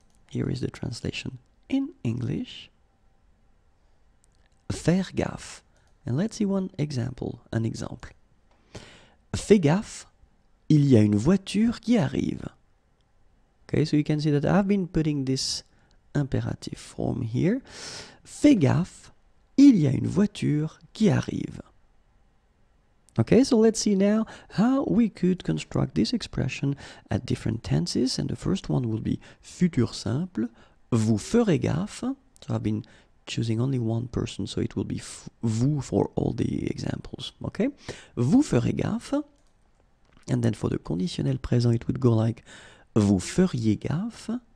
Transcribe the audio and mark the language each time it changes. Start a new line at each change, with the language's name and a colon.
English: Here is the translation in English.
French: Faire gaffe.
English: And let's see one example. An example.
French: Fais gaffe. Il y a une voiture qui arrive.
English: Okay, so you can see that I've been putting this imperative form here.
French: Fais gaffe, il y a une voiture qui arrive.
English: Okay, so let's see now how we could construct this expression at different tenses. And the first one will be futur simple.
French: Vous ferez gaffe.
English: So I've been choosing only one person, so it will be vous for all the examples. Okay,
French: vous ferez gaffe.
English: And then for the conditionnel présent, it would go like
French: vous feriez gaffe.